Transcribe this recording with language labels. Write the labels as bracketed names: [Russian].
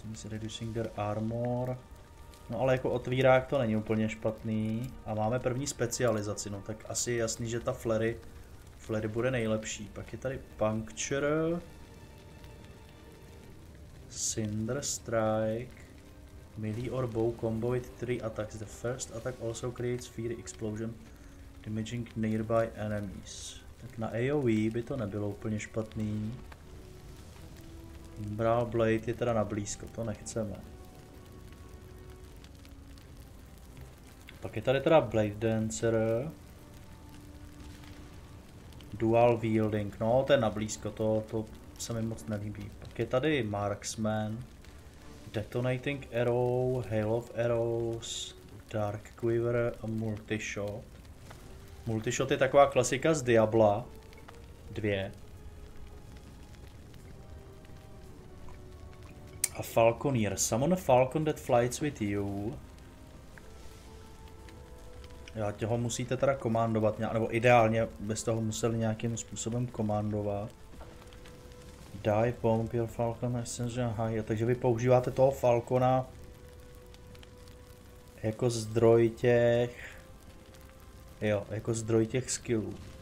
[English] Reducing their armor. [Czech] No ale jako otvírák to není úplně špatný. A máme první specializaci, no tak asi je jasný, že ta Flary bude nejlepší. Pak je tady Puncture. Cinder Strike. [English] Melee or bow combo with 3 attacks. The first attack also creates fiery explosion, damaging nearby enemies. [Czech] Tak na AoE by to nebylo úplně špatný. Umbral Blade je teda na blízko, to nechceme. Pak je tady teda Blade Dancer. Dual Wielding, no to je na blízko, to se mi moc nelíbí. Pak je tady Marksman. Detonating Arrow, Hail of Arrows, Dark Quiver a Multishot. Multishot je taková klasika z Diabla 2. [English] A Falconeer, summon a falcon that flies with you. [Czech] Já toho musíte teda komandovat, nebo ideálně bez toho museli nějakým způsobem komandovat. [English] Die bomb your falcon essence, [Czech] aha, takže vy používáte toho falcona jako zdroj těch, jo, jako zdroj těch skillů.